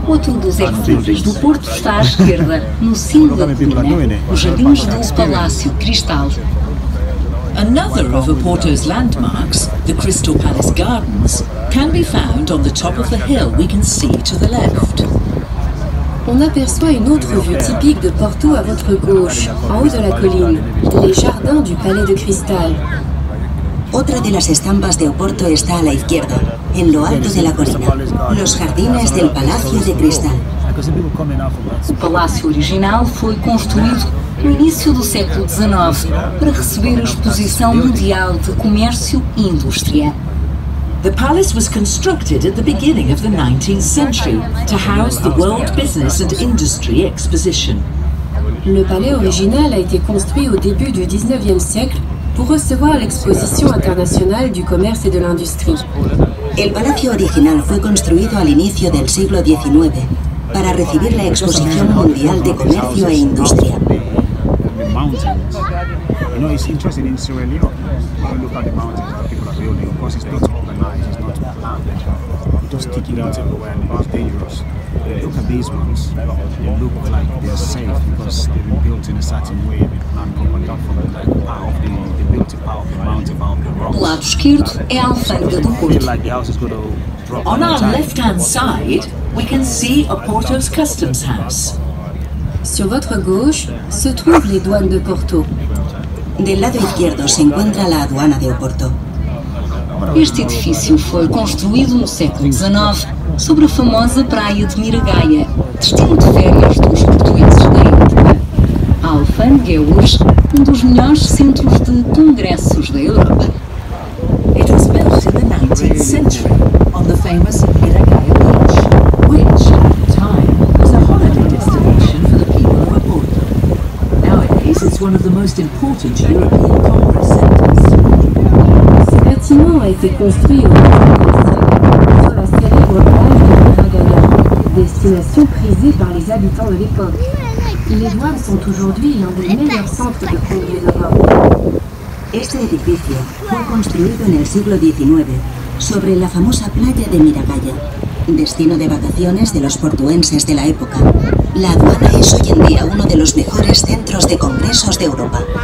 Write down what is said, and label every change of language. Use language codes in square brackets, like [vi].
[pt] Outro dos exemplos do Porto está à esquerda, no cimo da colina, os jardins do Palácio Cristal. [en] Another of Oporto's landmarks, the Crystal Palace Gardens, can be found on the top of the hill we can see to the left. [fr] On aperçoit une autre vue typique de Porto à votre gauche, en haut de la colline, les jardins du Palais de Cristal. [es] Otra de las estampas de Oporto está a la izquierda, en lo alto de la colina, los jardines del Palacio de Cristal. [pt] O palácio original foi construído no início do século XIX para receber a Exposição Mundial de Comércio e Indústria. [en] The palace was constructed at the beginning of the 19th century to house the World Business and Industry Exposition. [fr] Le palais original a été construit au début du 19e siècle pour recevoir l'exposition internationale du commerce et de l'industrie. [es] El palacio original fue construido al inicio del siglo XIX para recibir la exposición mundial de comercio e industria. [en] The mountains. You know, it's interesting in Sierra Leone. When you look at the mountains that people are building, of course, it's not organized, it's not planned. You just stick it out everywhere and it's dangerous. But look at these ones, they look like they're safe because they've been built in a certain way, they've been planned properly out from the power of the built power of the mountain, power of the rocks. [pt] Do lado esquerdo é a alfândega do Porto. [en] Feel like the house is going to drop. On our left hand side, we can see a Porto's customs house. [fr] Sur votre gauche se trouvent les douanes de Porto. [es] Del lado izquierdo se encuentra la aduana de Oporto. [pt] Este edifício foi construído no século XIX sobre a famosa praia de Miragaia, destino de férias dos portugueses da época. A alfândega é hoje um dos melhores centros de congressos da Europa. [en] It was built in the 19th century on the famous Miragaia Beach, which at the time was a holiday destination for the people of Oporto. Nowadays, it's one of the most important European congress centers. [fr] Ce bâtiment a été construit au sur la célèbre plage de Miragaia, destination prisée par les habitants de l'époque. Les douanes sont aujourd'hui l'un des meilleurs centres de congrès d'Europe. [es] Este edificio fue construido en el siglo XIX sobre la famosa playa de Miragaya, destino de vacaciones de los portuenses de la época. La aduana es hoy en día uno de los mejores centros de congresos de Europa.